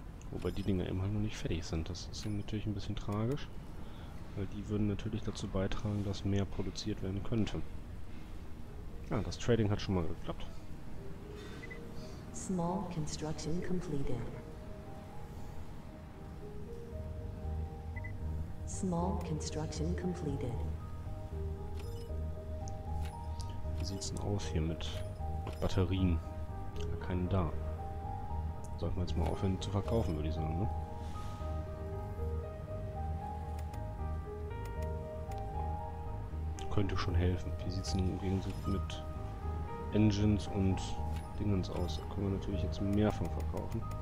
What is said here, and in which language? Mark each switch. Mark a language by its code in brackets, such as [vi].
[de] Wobei die Dinger immer noch nicht fertig sind. Das ist natürlich ein bisschen tragisch. Weil die würden natürlich dazu beitragen, dass mehr produziert werden könnte. Ja, das Trading hat schon mal geklappt. [en] Small construction completed. Small construction completed. [de] Wie sieht's denn aus hier mit Batterien? Keinen da. Sollten wir jetzt mal aufhören zu verkaufen, würde ich sagen, ne? Könnte schon helfen. Wie sieht es denn im Gegensatz mit Engines und Dingens aus? Da können wir natürlich jetzt mehr von verkaufen.